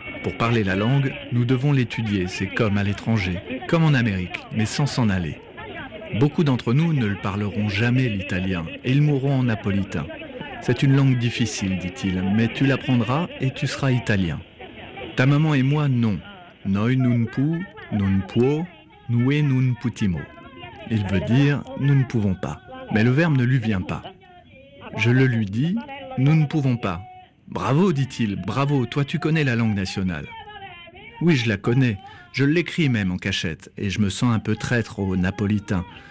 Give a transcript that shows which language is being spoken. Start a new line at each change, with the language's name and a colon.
French: Pour parler la langue, nous devons l'étudier, c'est comme à l'étranger, comme en Amérique, mais sans s'en aller. Beaucoup d'entre nous ne le parleront jamais, l'italien, et ils mourront en napolitain. C'est une langue difficile, dit-il, mais tu l'apprendras et tu seras italien. Ta maman et moi, non.
Neapolitan: Noi non pu, non può, noi non putimo.
French: Il veut dire « nous ne pouvons pas ». Mais le verbe ne lui vient pas. Je le lui dis « nous ne pouvons pas ». « Bravo, dit-il, bravo, toi tu connais la langue nationale ». Oui, je la connais, je l'écris même en cachette, et je me sens un peu traître au napolitain.